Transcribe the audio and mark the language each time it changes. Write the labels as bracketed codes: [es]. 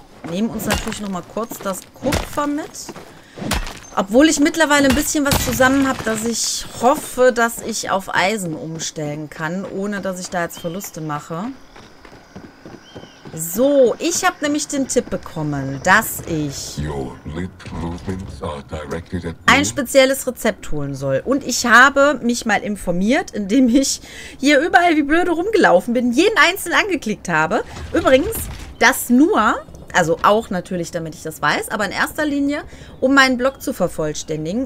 [de] Nehmen uns natürlich noch mal kurz das Kupfer mit. Obwohl ich mittlerweile ein bisschen was zusammen habe, dass ich hoffe, dass ich auf Eisen umstellen kann, ohne dass ich da jetzt Verluste mache. So, ich habe nämlich den Tipp bekommen, dass ich [en] Your lip movements are directed at [de] ein [en] me. [de] spezielles Rezept holen soll. Und ich habe mich mal informiert, indem ich hier überall wie blöde rumgelaufen bin, jeden einzelnen angeklickt habe. Übrigens, das nur, also auch natürlich, damit ich das weiß, aber in erster Linie, um meinen Blog zu vervollständigen.